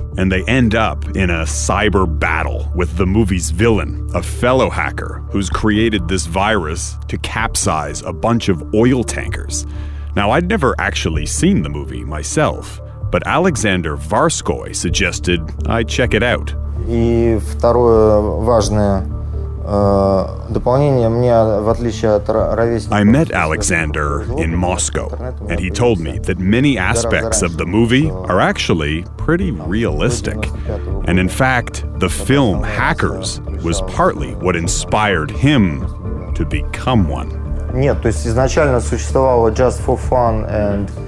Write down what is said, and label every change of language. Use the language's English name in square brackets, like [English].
[English] And they end up in a cyber battle with the movie's villain, a fellow hacker who's created this virus to capsize a bunch of oil tankers. Now, I'd never actually seen the movie myself, but Alexander Varskoy suggested I check it out. [Russian] И второе важное дополнение мне, в отличие от ровесников... [English] I met Alexander in Moscow, and he told me that many aspects of the movie are actually pretty realistic. And in fact, the film Hackers was partly what inspired him to become one. [Russian] Нет, то есть изначально существовало Just for Fun and...